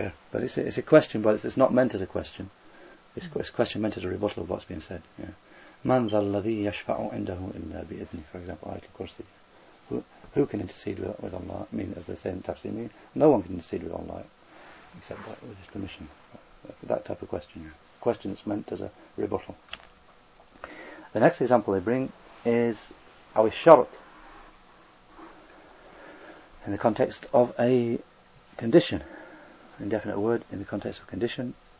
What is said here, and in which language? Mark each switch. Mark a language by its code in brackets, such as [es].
[en] But it's a question, but it's not meant as a question. It's a question meant as a rebuttal of what's being said. [ar] Man ذا الذي يشفع عنده إلا بإذنه, [en] for example, Ayatul Kursi. Who can intercede with Allah? I mean, as they say in Tafsir, mean, no one can intercede with Allah except with His permission. That type of question. A question that's meant as a rebuttal. The next example they bring is Awi Sharq, in the context of a condition, indefinite word in the context of condition.